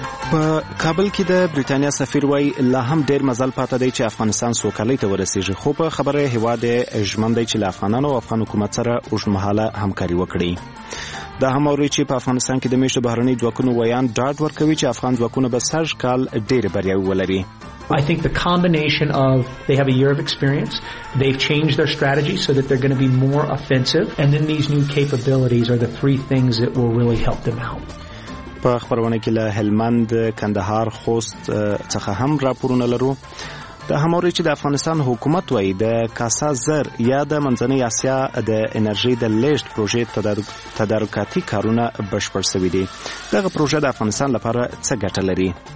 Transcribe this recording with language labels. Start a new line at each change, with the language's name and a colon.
Pashto: په کابل کې د بریتانیا سفیر وای لا هم ډیر مزل پاته دی چې افغانستان سوکالۍ ته ورسیږي، خو په خبره هیواد ژمن دی چې له افغانانو او افغان حکومت سره اوږدمهاله همکاري وکړي. دا هم اوري چې په افغانستان کې د میشتو بهرنی ځواکونو ویان ډاډ ورکوي چې افغان ځواکونه به سږ کال ډیر بریاوې ولري.
English: I think the combination of they have a year of experience, they've changed their strategy so that they're going to be more offensive, and then these new capabilities are the three things that will really help them out.
Pashto: په خبرونه کې له هلمند، کندهار، خوست څخه هم راپورونه لرو. دا هم اوري چې د افغانستان حکومت وایي د کاسا زر یا د منځنۍ آسیا د انرژي د لیست پروژې تدارکاتي کارونه بشپړ سوي دي. دغه پروژه د افغانستان لپاره څه ګټه لري؟